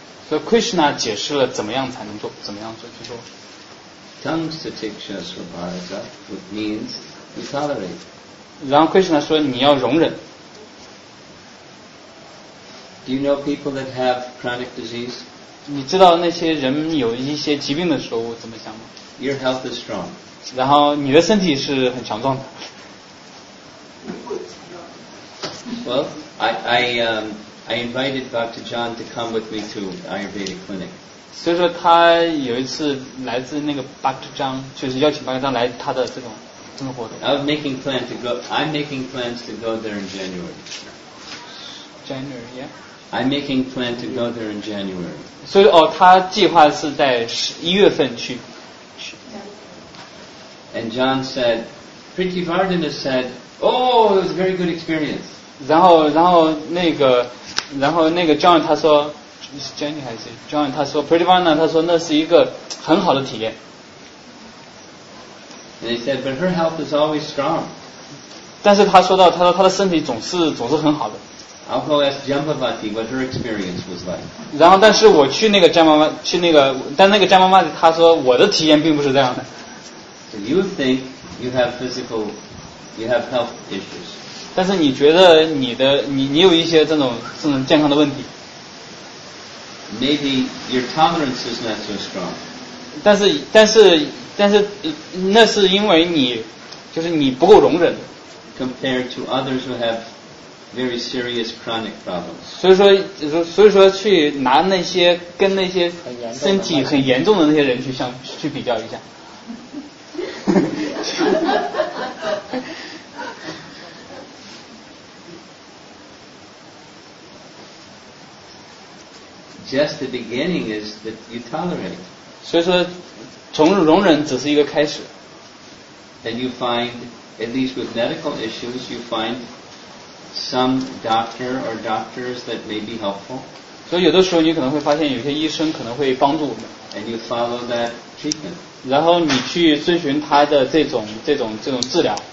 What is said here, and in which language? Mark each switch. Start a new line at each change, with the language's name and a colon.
Chinese: So Krishna 解释了怎么样才能做，怎么样做，就说。
English: Tantrikshya Svabharata, which means you tolerate.
Chinese: 然后 Krishna 说你要容忍。
English: Do you know people that have chronic disease?
Chinese: 你知道那些人有一些疾病的时候怎么想吗？
English: Your health is strong.
Chinese: 然后你的身体是很强壮的。
English: Well, I invited Dr. John to come with me to Ayurvedic clinic.
Chinese: 所以说他有一次来自那个巴特章，就是邀请巴特章来他的这种活动。
English: I'm making plans to go there in January. January, yeah. I'm making plan to go there in January.
Chinese: 所以哦，他计划是在11月份去。
English: And John said, Prithivardhana said, oh, it was a very good experience.
Chinese: 然后那个 John 他说是 Jenny 还是 John 他说 Prithivardhana 他说那是一个很好的体验。
English: And he said, but her health is always strong.
Chinese: 但是他说他的身体总是很好的。
English: I'll go ask Jambavati what her experience was like.
Chinese: 然后但是我去那个 Jambavati 他说我的体验并不是这样的。
English: So you think you have physical, you have health issues.
Chinese: 但是你觉得你有一些这种健康的问题。
English: Maybe your tolerance is not so strong.
Chinese: 但是那是因为你不够容忍。
English: Compared to others who have very serious chronic problems.
Chinese: 所以说去拿那些跟那些身体很严重的那些人去比较一下。
English: Just the beginning is that you tolerate.
Chinese: 所以说，从容忍只是一个开始。
English: Then you find, at least with medical issues, you find some doctor or doctors that may be helpful.
Chinese: 所以有的时候你可能会发现有些医生可能会帮助我们。
English: And you follow that treatment.
Chinese: 然后你去遵循他的这种治疗。